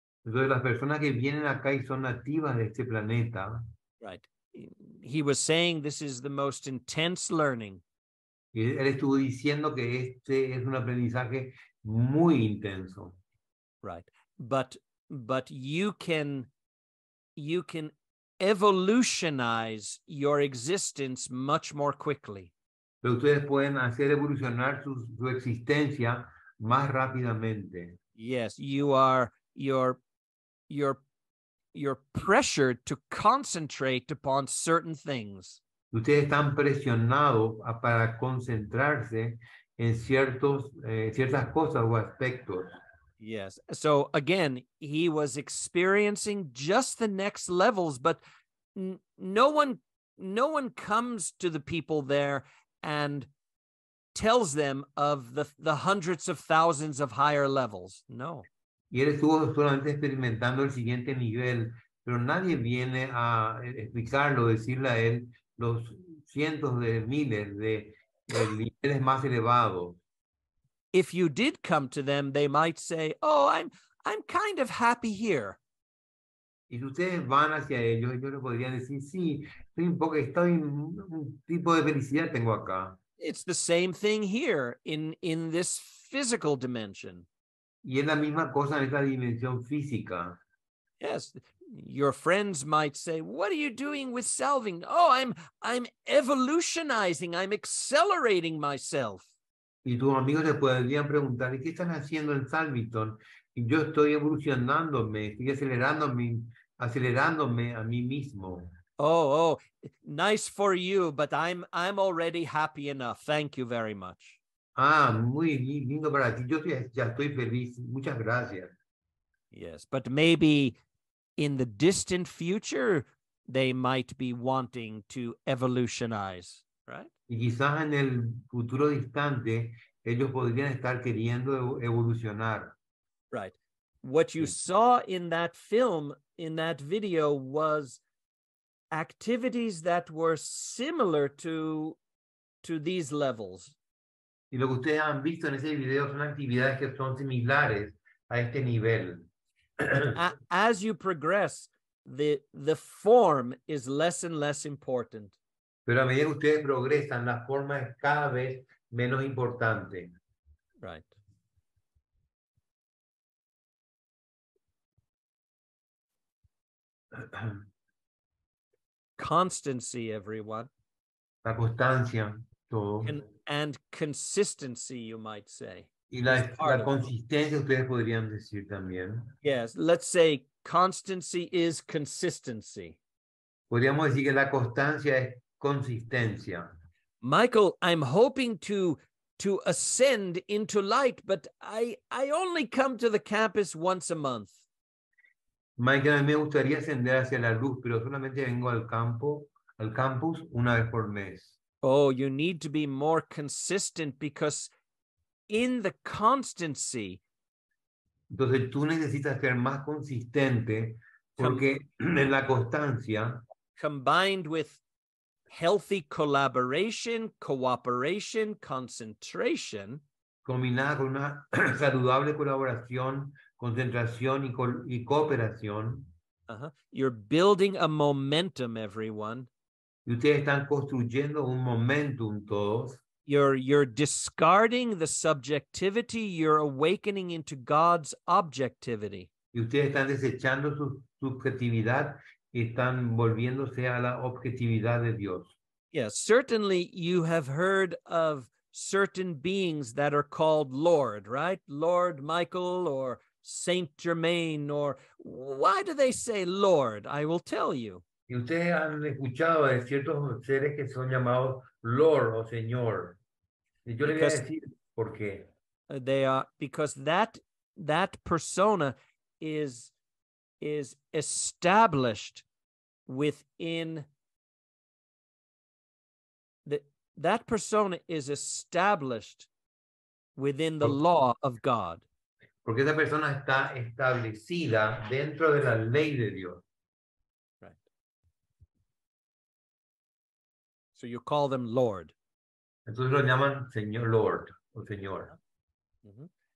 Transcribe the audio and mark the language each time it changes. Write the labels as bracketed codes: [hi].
[es] Entonces las personas que vienen acá y son nativas de este planeta. [en] Right. He was saying this is the most intense learning. [es] Él estuvo diciendo que este es un aprendizaje muy intenso. [en] Right. But you can evolutionize your existence much more quickly. [es] Pero ustedes pueden hacer evolucionar su existencia más rápidamente. [en] Yes, you're pressured to concentrate upon certain things. [es] Ustedes están presionados para concentrarse en ciertas cosas o aspectos. [en] Yes. So again, he was experiencing just the next levels, but no one comes to the people there and tells them of the hundreds of thousands of higher levels. No. [es] Y él estuvo solamente experimentando el siguiente nivel, pero nadie viene a explicarlo, decirle a él los cientos de miles de niveles más elevados. [en] If you did come to them, they might say, "Oh, I'm kind of happy here." [es] Y si ustedes van hacia ellos, ellos les podrían decir, sí, estoy un poco, estoy en un tipo de felicidad tengo acá. [en] It's the same thing here in this physical dimension. [es] Y es la misma cosa en esta dimensión física. [en] Yes, your friends might say, what are you doing with selving? Oh, I'm evolutionizing, I'm accelerating myself. [es] Y tus amigos te podrían preguntar, ¿qué están haciendo en Salviton? Y yo estoy evolucionándome, estoy acelerándome a mí mismo. [en] Oh, nice for you, but I'm already happy enough. Thank you very much. [es] Ah, muy lindo para ti. Yo ya estoy feliz. Muchas gracias. [en] Yes, but maybe in the distant future, they might be wanting to evolutionize, right? [es] Y quizás en el futuro distante, ellos podrían estar queriendo evolucionar. [en] Right. What you saw in that film, in that video, was activities that were similar to these levels. [es] Y lo que ustedes han visto en ese video son actividades que son similares a este nivel. [en] As you progress, the form is less and less important. [es] Pero a medida que ustedes progresan, la forma es cada vez menos importante. [en] Right. Constancy, everyone. [es] La constancia, todo. [en] And consistency, you might say. [es] Y la consistencia, ustedes podrían decir también. [en] Yes, let's say constancy is consistency. [es] Podríamos decir que la constancia es consistencia. [en] Michael, I'm hoping to ascend into light, but I only come to the campus once a month. [es] Michael, a mí me gustaría ascender hacia la luz, pero solamente vengo al campus una vez por mes. [en] Oh, you need to be more consistent because in the constancy. [es] Entonces tú necesitas ser más consistente porque en la constancia. [en] Combined with healthy collaboration, cooperation, concentration. [es] Combinada con una saludable colaboración, concentración y cooperación. [en] Uh-huh. You're building a momentum, everyone. [es] Y ustedes están construyendo un momentum todos. [en] You're discarding the subjectivity, you're awakening into God's objectivity. [es] Y ustedes están desechando su subjetividad y están volviéndose a la objetividad de Dios. [en] Yes, certainly you have heard of certain beings that are called Lord, right? Lord Michael or Saint Germain, or why do they say Lord? I will tell you. [es] Y ustedes han escuchado de ciertos seres que son llamados Lord o Señor. Y yo les voy a decir por qué. [en] They are, because that persona is established within that persona is established within the law of God. [es] Porque esa persona está establecida dentro de la ley de Dios. [en] So you call them Lord. [es] Entonces lo llaman Señor, Lord, o Señor. Mm-hmm.